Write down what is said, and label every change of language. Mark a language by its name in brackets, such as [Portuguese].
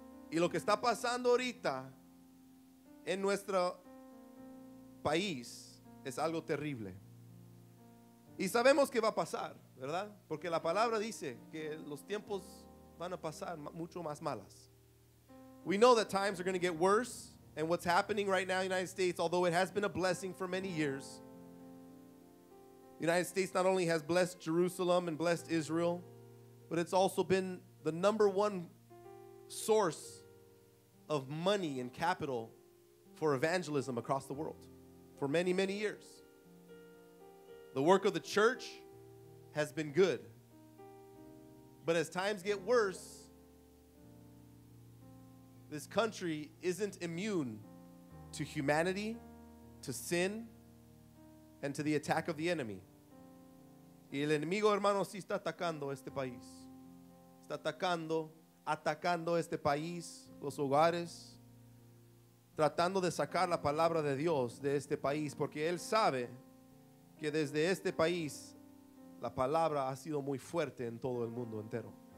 [Spanish] Y lo que está pasando ahorita en nuestro país es algo terrible. Y sabemos que va a pasar, ¿verdad? Porque la palabra dice que los tiempos van a pasar mucho más malas. [English] We know that times are going to get worse, and what's happening right now in the United States, although it has been a blessing for many years, the United States not only has blessed Jerusalem and blessed Israel, but it's also been the number one source of money and capital for evangelism across the world for many, many years. The work of the church has been good, but as times get worse, this country isn't immune to humanity, to sin, and to the attack of the enemy. [Spanish] Y el enemigo, hermanos, sí está atacando este país. Está atacando este país, los hogares, tratando de sacar la palabra de Dios de este país, porque él sabe que desde este país la palabra ha sido muy fuerte en todo el mundo entero.